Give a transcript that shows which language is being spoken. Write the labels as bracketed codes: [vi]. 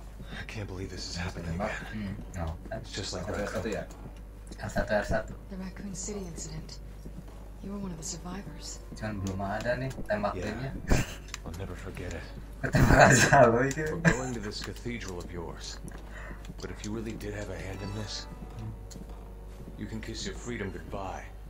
[en] I can't believe this is happening. No. It's just like [id] R1 ya. R1. [en] The Raccoon City incident. You were one of the survivors. [id] Jangan belum ada nih tembak timnya. [en] I'll never forget it. [id] Ketembak aja lo itu. [en] We're going to this cathedral of yours. But if you really did have a hand in this, you can kiss your freedom goodbye.